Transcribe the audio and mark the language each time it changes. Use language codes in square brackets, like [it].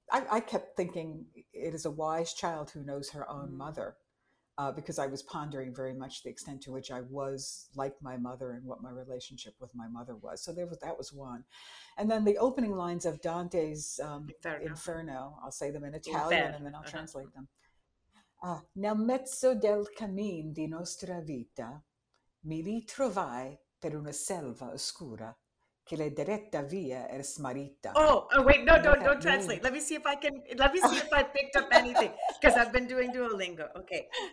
[en] I kept thinking it is a wise child who knows her own mother, because I was pondering very much the extent to which I was like my mother and what my relationship with my mother was. So that was one. And then the opening lines of Dante's Inferno, I'll say them in Italian and then I'll translate them. [it] Nel mezzo del cammin di nostra vita mi ritrovai per una selva oscura. Che le diretta via è smarrita. [en] Don't translate. Let me see if I picked up anything because I've been doing Duolingo. Okay.